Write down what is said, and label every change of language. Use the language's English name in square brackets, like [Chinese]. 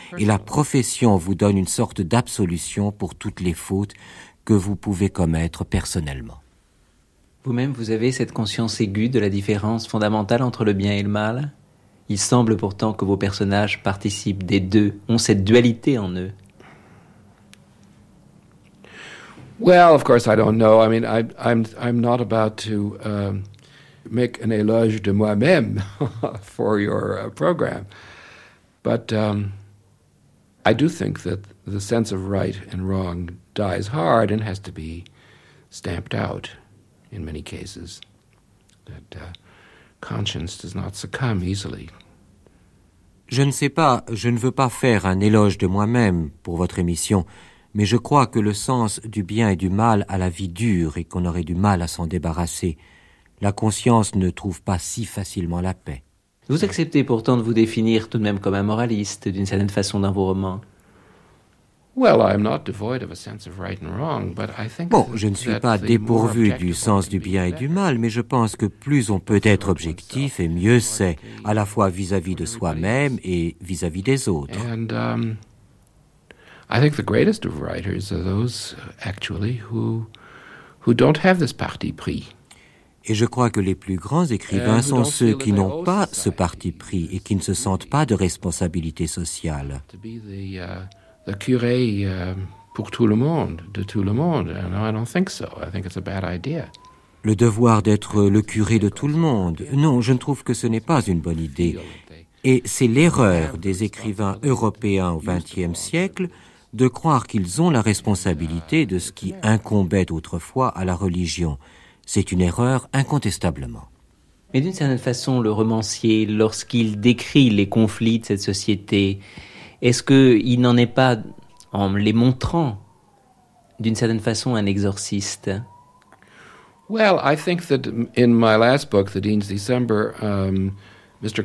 [French] Et la profession vous donne une sorte d'absolution pour toutes les fautes que vous pouvez commettre personnellement. Vous-même, vous avez cette conscience aiguë de la différence fondamentale entre le bien et le mal. Il semble pourtant que vos personnages participent des deux, ont cette dualité en eux. [English] Well, of course, I don't know. I mean, I'm not about to make an [French] éloge de moi-même [English] for your program, but I do think that the sense of right and wrong dies hard and has to be stamped out. In many cases, that conscience does not succumb easily. [French] Je ne sais pas, je ne veux pas faire un éloge de moi-même pour votre émission, mais je crois que le sens du bien et du mal a la vie dure et qu'on aurait du mal à s'en débarrasser. La conscience ne trouve pas si facilement la paix. Vous acceptez pourtant de vous définir tout de même comme un moraliste, d'une certaine façon, dans vos romans. Bon, je ne suis pas dépourvu du sens du bien et du mal, mais je pense que plus on peut être objectif et mieux c'est, à la fois vis-à-vis de soi-même et vis-à-vis des autres. [English] And I think the greatest of writers are those actually who don't have this parti pris. [French] Et je crois que les plus grands écrivains sont ceux qui n'ont pas ce parti pris et qui ne se sentent pas de responsabilité sociale. Le curé pour tout le monde, de tout le monde. [English] No, I don't think so. I think it's a bad idea. [French] Le devoir d'être le curé de tout le monde. Non, je ne trouve que ce n'est pas une bonne idée. Et c'est l'erreur des écrivains européens au XXe siècle de croire qu'ils ont la responsabilité de ce qui incombait autrefois à la religion. C'est une erreur incontestablement. Mais d'une certaine façon, le romancier, lorsqu'il décrit les conflits de cette société, est-ce qu'il n'en est pas, en les montrant, d'une certaine façon, un exorciste? [English] Well, I think that in my last book, The Dean's December, Mr.